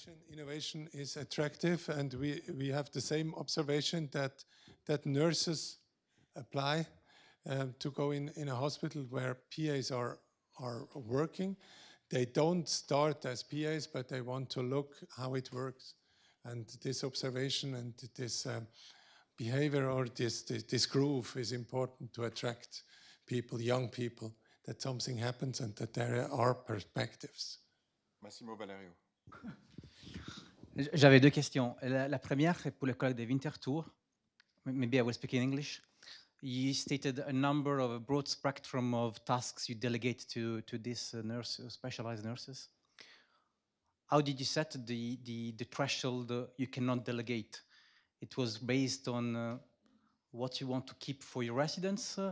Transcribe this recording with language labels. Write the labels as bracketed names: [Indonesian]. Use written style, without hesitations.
[English] Innovation is attractive, and we have the same observation that nurses apply to go in a hospital where PAs are working. They don't start as PAs, but they want to look how it works. and this observation and this behavior or this groove is important to attract people, young people, that something happens and that there are perspectives. Massimo Valerio. [French] J'avais deux questions. La première, c'est pour le collègue de Winterthur. [English] Maybe I will speak in English. You stated a number of a broad spectrum of tasks you delegate to these nurses, specialized nurses. How did you set the threshold you cannot delegate? It was based on what you want to keep for your residents.